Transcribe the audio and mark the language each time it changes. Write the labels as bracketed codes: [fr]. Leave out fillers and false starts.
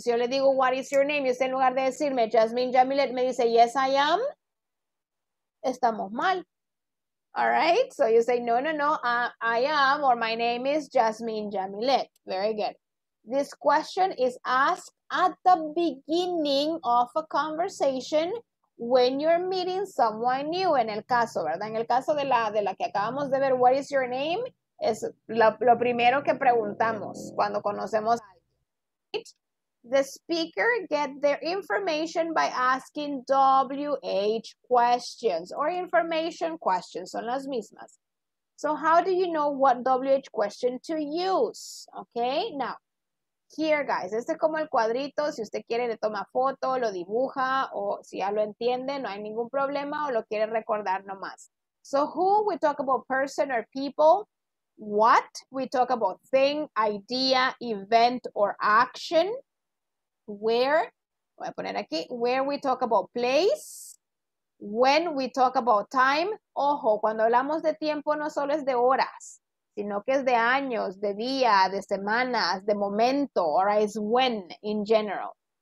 [es] Si yo le digo, [en] what is your name? [es] Y usted en lugar de decirme, Jasmine Jamilet, me dice, [en] yes, I am. [es] Estamos mal. [en] All right? So you say, no, no, no, I am, or my name is Jasmine Jamilet. Very good. This question is asked at the beginning of a conversation when you're meeting someone new. [es] En el caso, ¿verdad? En el caso de la que acabamos de ver, [en] what is your name? [es] Es lo primero que preguntamos cuando conocemos a alguien. [en] The speaker gets their information by asking WH questions or information questions. [es] Son las mismas. [en] So how do you know what WH question to use? Okay, now. Here, guys, [es] este es como el cuadrito, si usted quiere le toma foto, lo dibuja, o si ya lo entiende, no hay ningún problema, o lo quiere recordar nomás. [en] So, who, we talk about person or people. What, we talk about thing, idea, event, or action. Where, [es] voy a poner aquí, [en] where we talk about place. When we talk about time. [es] Ojo, cuando hablamos de tiempo no solo es de horas, sino que es de años, de día, de semanas, de momento, [en] or is when in general.